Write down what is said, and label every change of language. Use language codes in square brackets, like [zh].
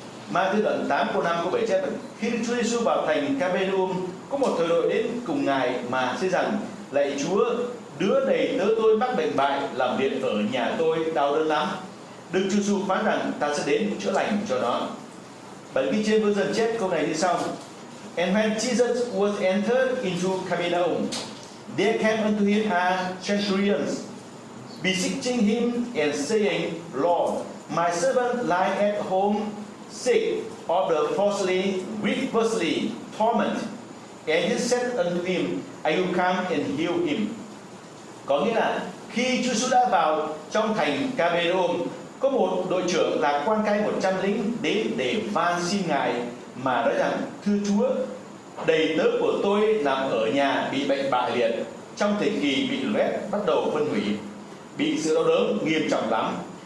[vi] Ma-thi-ơ đoạn 8 câu 5 câu 7 chép: khi Chúa Giêsu vào thành Capernaum, có một thời đội đến cùng ngài mà xin rằng: lạy Chúa, đứa đầy tớ tôi mắc bệnh bại, làm việc ở nhà tôi đau đớn lắm. Đức Chúa Giêsu phán rằng: ta sẽ đến chữa lành cho nó. Bản ghi trên vừa dần chép câu này như sau: [en] and when Jesus was entered into Capernaum, there came unto him a centurion, beseeching him and saying, Lord, my servant lieth at home sick of the falsely, grievously torment. And he said unto him, I will come and heal him. [vi] Có nghĩa là khi Chúa Giêsu đã vào trong thành Capernaum, có một đội trưởng là quan cai 100 lính đến để van xin ngài mà nói rằng: thưa Chúa, đầy tớ của tôi nằm ở nhà bị bệnh bại liệt, trong thời kỳ bị loét bắt đầu phân hủy, bị sự đau đớn nghiêm trọng lắm.